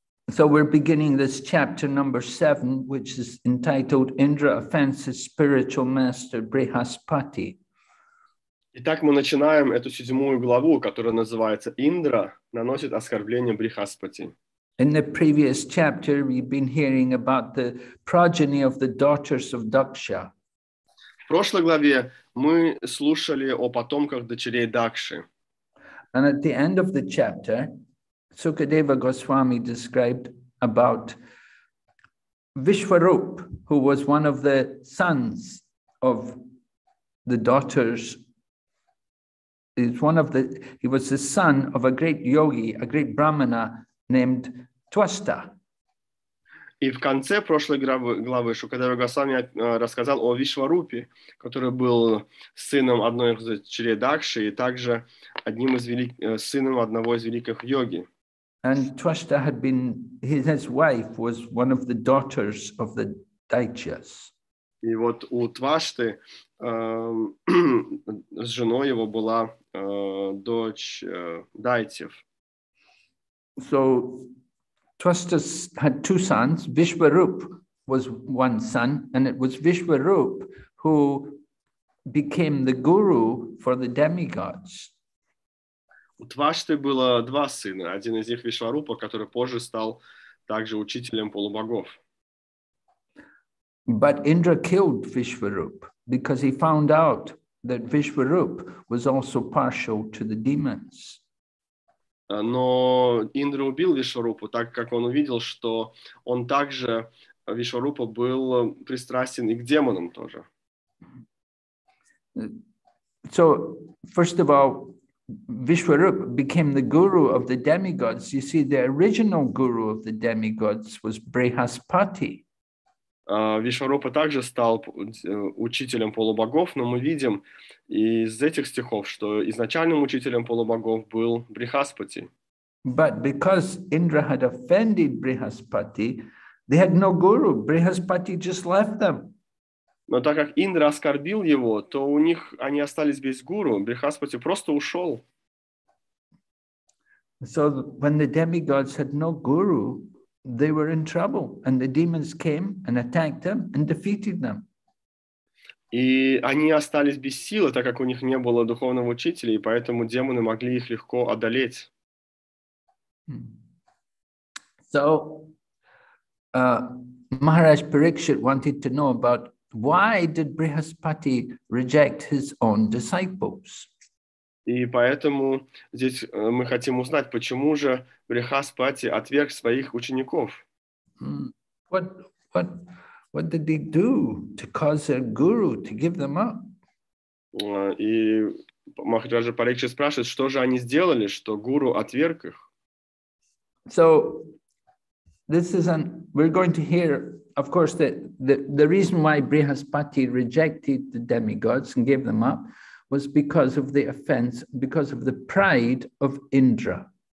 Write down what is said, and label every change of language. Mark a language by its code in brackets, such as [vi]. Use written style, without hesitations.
[en] So we're beginning this chapter number 7, which is entitled Indra Offends His Spiritual Master Brihaspati. [ru] Итак, мы начинаем эту седьмую главу, которая называется «Индра наносит оскорбление Брихаспати». [en] In the previous chapter, we've been hearing about the progeny of the daughters of Daksha. [ru] В прошлой главе мы слушали о потомках дочерей Дакши. [en] And at the end of the chapter, Sukadeva Goswami described about Vishwarup, who was one of the sons of the daughters. He was the son of a great yogi, a great brahmana named Twasta. [ru] И в конце прошлой главы Шукадева Госвами рассказал о Вишварупе, который был сыном одной из дочерей Дакши и также сыном одного из великих йоги. [en] And Twasta had been, his wife was one of the daughters of the Daityas. [ru] И вот у Твашты с женой его была дочь Дайтьев. [en] So Twasta had two sons. Vishwarup was one son, and it was Vishwarup who became the guru for the demigods. [ru] У Твашты было два сына, один из них Вишварупа, который позже стал также учителем полубогов. [en] But Indra killed Vishwarup because he found out that Vishwarup was also partial to the demons. [ru] Но Индра убил Вишварупу, так как он увидел, что он также, Вишварупа, был пристрастен и к демонам тоже. [en] So, first of all, Vishwarup became the guru of the demigods. You see, the original guru of the demigods was Brihaspati. [ru] Vishwarupa также стал учителем полубогов, но мы видим из этих стихов, что изначальным учителем полубогов был Брихаспати. [en] But because Indra had offended Brihaspati, they had no guru. Brihaspati just left them. [ru] Но так как Индра оскорбил его, то у них они остались без гуру. Брихаспати просто ушел. [en] So when the demigods had no guru, they were in trouble, and the demons came and attacked them and defeated them. [ru] И они остались без силы, так как у них не было духовного учителя, и поэтому демоны могли их легко одолеть. [en] So Maharaj Parikshit wanted to know about why did Brihaspati reject his own disciples? [ru] И поэтому здесь мы хотим узнать, почему же Брихаспати отверг своих учеников. [en] What did they do to cause their guru to give them up? [ru] И Махараджа Парикшит спрашивает, что же они сделали, что гуру отверг их? [en] So this is we're going to hear, of course, the reason why Brihaspati rejected the demigods and gave them up was because of the offense, because of the pride of Indra.